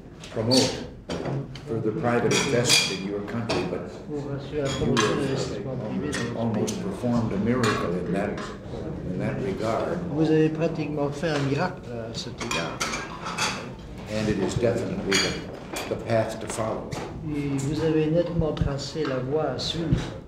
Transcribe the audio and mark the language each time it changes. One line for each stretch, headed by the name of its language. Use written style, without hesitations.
English: Promote further private investment in your country, but you have almost performed a miracle in that regard.
French: Vous avez pratiquement fait un miracle à cet égard.
English: And it is definitely the path to follow.
French: Et vous avez nettement tracé la voie à suivre.